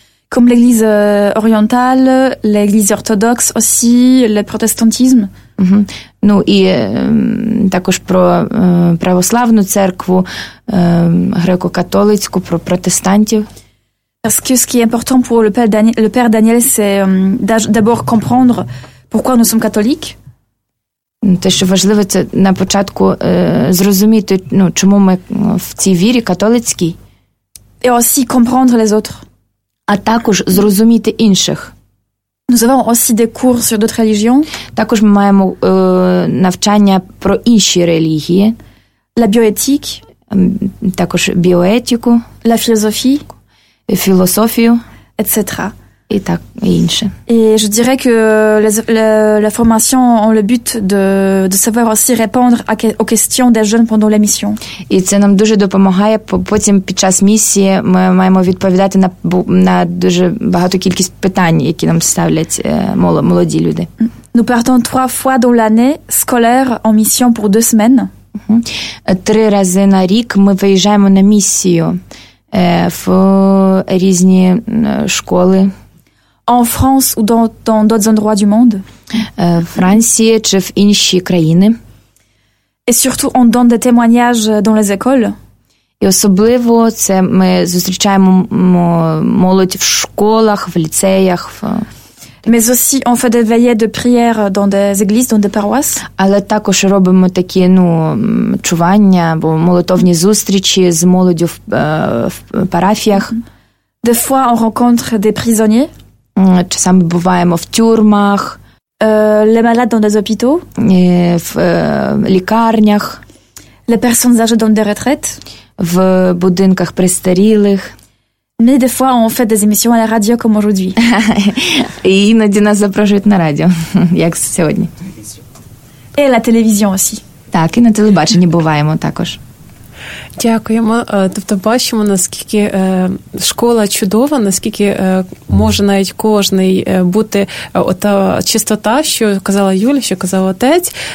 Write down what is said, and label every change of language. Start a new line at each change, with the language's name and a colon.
French: Comme l'Église orientale, l'Église orthodoxe aussi, le protestantisme. Mm-hmm.
Ukrainian: Ну і також про православну церкву, греко-католицьку, про протестантів.
French: Parce que ce qui est important pour le père Daniel, c'est d'abord comprendre pourquoi nous sommes catholiques.
Ukrainian: Те, що важливо, це на початку зрозуміти, ну, чому ми в цій вірі католицькій.
French: Et aussi comprendre les autres.
Ukrainian: А також зрозуміти інших.
French: Nous avons aussi des cours sur d'autres religions.
Ukrainian: Також ми маємо навчання про інші релігії.
French: La bioéthique.
Ukrainian: Також біоетику.
French: La philosophie.
Ukrainian: Філософію.
French: Etc.
Ukrainian: І так, і інше.
French: Et je dirais que la formation a le but de savoir aussi répondre aux questions des jeunes pendant la mission.
Ukrainian: І це нам дуже допомагає потім під час місії ми маємо відповідати на дуже багато кількість питань, які нам ставлять молоді люди.
French: Nous partons trois fois dans l'année scolaire en mission pour deux semaines.
Ukrainian: Три рази на рік ми виїжджаємо на місію в різні школи.
French: En France ou dans d'autres endroits du monde?
Ukrainian: Франції чи в інші країни.
French: Et surtout, on donne des témoignages dans les écoles.
Ukrainian: І особливо це ми зустрічаємо молодь в школах, в ліцеях.
French: Mais aussi, on fait des veillées de prière dans des églises, dans des paroisses.
Ukrainian: Але також робимо такі, ну, чування, або молитовні зустрічі з молоддю в парафіях.
French: Des fois, on rencontre des prisonniers.
Ukrainian: Часами буваємо в тюрмах,
French: les malades dans des hôpitaux,
Ukrainian: в лікарнях,
French: les personnes âgées dans des retraites,
Ukrainian: в будинках престарілих.
French: Mais des fois on fait des émissions à la radio comme aujourd'hui.
Ukrainian: І іноді нас запрошують на радіо, як сьогодні.
French: Et la télévision aussi.
Ukrainian: Так, і на телебаченні буваємо також. Дякуємо. Тобто бачимо, наскільки школа чудова, наскільки може навіть кожний бути ота чистота, що казала Юля, що казав отець.